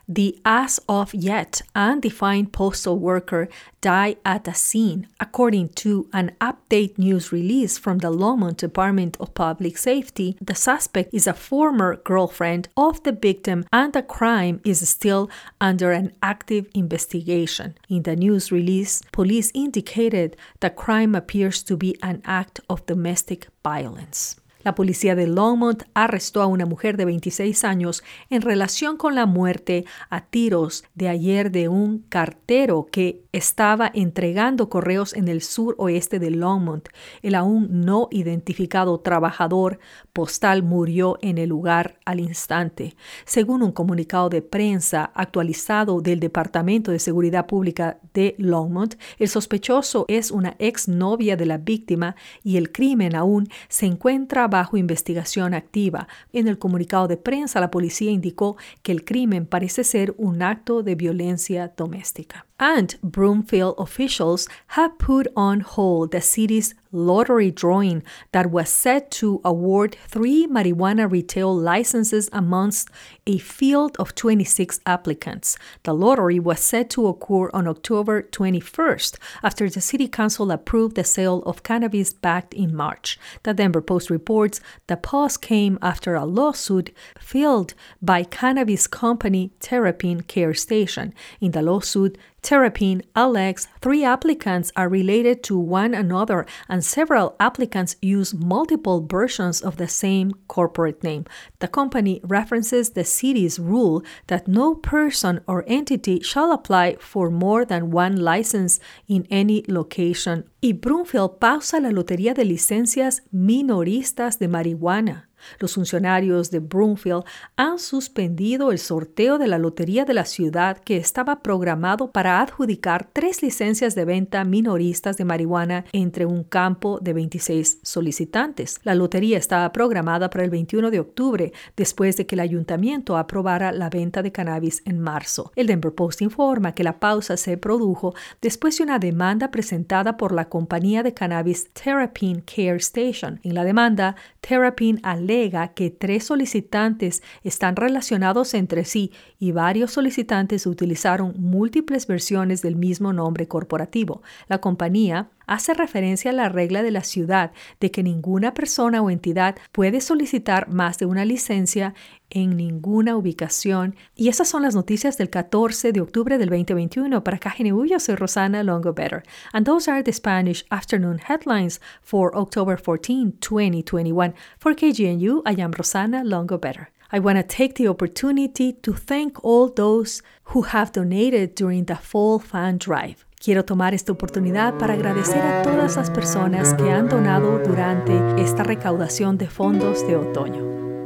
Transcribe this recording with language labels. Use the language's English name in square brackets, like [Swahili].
[English] The as-of-yet undefined postal worker died at the scene, according to an update news release from the Longmont Department of Public Safety. The suspect is a former girlfriend of the victim, and the crime is still under an active investigation. In the news release, police indicated the crime appears to be an act of domestic violence. [Spanish] La policía de Longmont arrestó a una mujer de 26 años en relación con la muerte a tiros de ayer de un cartero que estaba entregando correos en el suroeste de Longmont. El aún no identificado trabajador postal murió en el lugar al instante. Según un comunicado de prensa actualizado del Departamento de Seguridad Pública de Longmont, el sospechoso es una exnovia de la víctima y el crimen aún se encuentra bajo investigación activa. En el comunicado de prensa, la policía indicó que el crimen parece ser un acto de violencia doméstica. [English] And Broomfield officials have put on hold the city's lottery drawing that was set to award 3 marijuana retail licenses amongst a field of 26 applicants. The lottery was set to occur on October 21st after the city council approved the sale of cannabis back in March. The Denver Post reports the pause came after a lawsuit filed by cannabis company Terrapin Care Station. In the lawsuit, Terrapin alleges 3 applicants are related to one another and several applicants use multiple versions of the same corporate name. The company references the city's rule that no person or entity shall apply for more than one license in any location. [Spanish] Y Broomfield pausa la lotería de licencias minoristas de marihuana. Los funcionarios de Broomfield han suspendido el sorteo de la lotería de la ciudad que estaba programado para adjudicar 3 licencias de venta minoristas de marihuana entre un campo de 26 solicitantes. La lotería estaba programada para el 21 de octubre, después de que el ayuntamiento aprobara la venta de cannabis en marzo. El Denver Post informa que la pausa se produjo después de una demanda presentada por la compañía de cannabis Terrapin Care Station. En la demanda, Terrapin alega que 3 solicitantes están relacionados entre sí y varios solicitantes utilizaron múltiples versiones del mismo nombre corporativo. La compañía hace referencia a la regla de la ciudad de que ninguna persona o entidad puede solicitar más de una licencia en ninguna ubicación. Y esas son las noticias del 14 de octubre del 2021. Para KGNU, yo soy Rosana Longobetter. [English] And those are the Spanish Afternoon Headlines for October 14, 2021. For KGNU, I am Rosana Longobetter. I want to take the opportunity to thank all those who have donated during the fall fan drive. [Spanish] Quiero tomar esta oportunidad para agradecer a todas las personas que han donado durante esta recaudación de fondos de otoño.